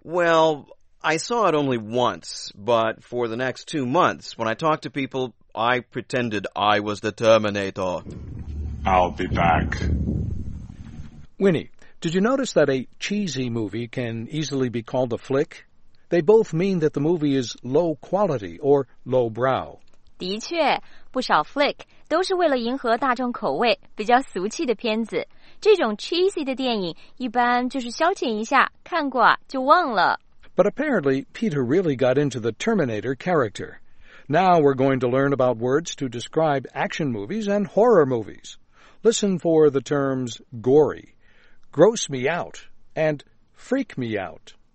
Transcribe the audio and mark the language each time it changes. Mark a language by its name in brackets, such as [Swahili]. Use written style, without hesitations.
[English] Well, I saw it only once, but for the next 2 months, when I talked to people, I pretended I was the Terminator. I'll be back. Winnie, did you notice that a cheesy movie can easily be called a flick? They both mean that the movie is low quality or low brow. [Chinese] 的确，不少 flick 都是为了迎合大众口味，比较俗气的片子。这种 cheesy 的电影一般就是消遣一下，看过就忘了。 [English] But apparently, Peter really got into the Terminator character. Now we're going to learn about words to describe action movies and horror movies. Listen for the terms gory, gross me out, and freak me out.